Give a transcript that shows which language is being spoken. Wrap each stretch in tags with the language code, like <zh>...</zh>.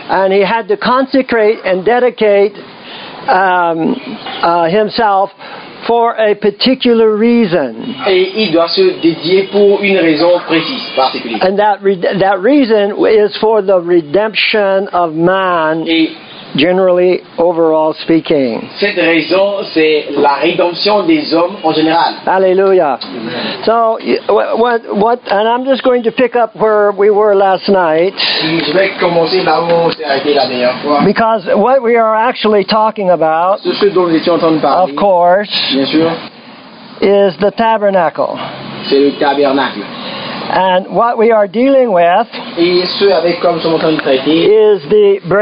<en>And he had to consecrate and dedicate himself for a particular reason.</en> <fr>Et il doit se dédier pour une raison précise, particulière.</fr> <en>And that reason is for the redemption of man.</en> <fr>Et</fr> <en>generally, overall speaking.</en> <fr>Cette raison, c'est la rédemption des hommes en général. Alléluia. Amen.</fr> <en>So, what, and I'm just going to pick up where we were last night.</en> <fr>Je vais commencer là où on s'est arrêté la dernière fois.</fr> <en>Because what we are actually talking about,</en> <fr>ce dont nous étions en train de parler,</fr> <en>of course,</en> <fr>bien sûr,</fr> <en>is the tabernacle.</en> <fr>C'est le tabernacle.</fr> <en>And what we are dealing with,</en> <fr>et ce avec quoi nous sommes en train de traiter,</fr>